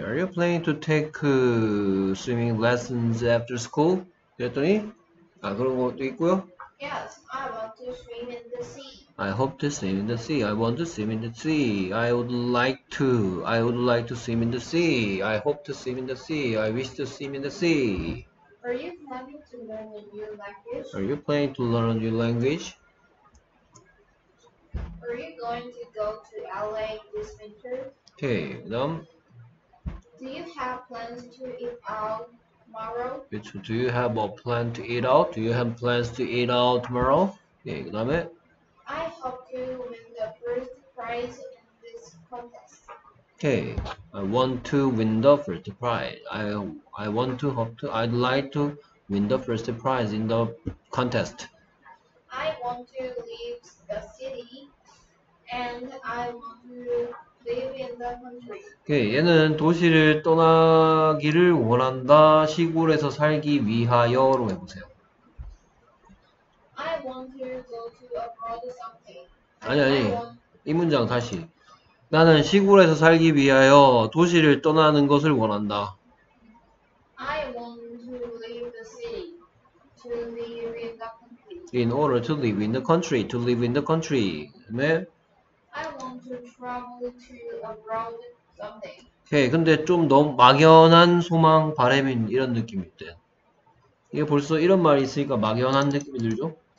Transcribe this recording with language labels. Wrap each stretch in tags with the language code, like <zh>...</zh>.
<en>Are you planning to take swimming lessons after school?</en> <ko>그랬더니 아 그런 것도 있고요.</ko> <en>Yes, I want to swim in the sea. I hope to swim in the sea. I want to swim in the sea. I would like to. I would like to swim in the sea. I hope to swim in the sea. I wish to swim in the sea. Are you planning to learn a new language? Are you planning to learn a new language? Are you going to go to LA this winter? Okay, then. Do you have plans to eat out tomorrow? It's, do you have a plan to eat out? Do you have plans to eat out tomorrow?</en> <ko>예, 그 다음에</ko> <en>I hope to win the first prize in this contest. Okay, I want to win the first prize. I want to hope to, I'd like to win the first prize in the contest. I want to leave the city and I want to live in the country.</en> <ko>Okay, 얘는 도시를 떠나기를 원한다. 시골에서 살기 위하여로 해보세요.</ko> <en>I want to go to abroad someday.</en> <ko>아니, 아니. 이 문장 다시. 나는 시골에서 살기 위하여 도시를 떠나는 것을 원한다.</ko> <en>I want to leave the city to live in the country. In order to live in the country, to live in the country.</en> <ko>네.</ko> <en>I want to travel to abroad someday.</en> <ko>오케이, 근데 좀 너무 막연한 소망, 바람인 이런 느낌일 때. 이게 벌써 이런 말이 있으니까 막연한 느낌이 들죠?</ko>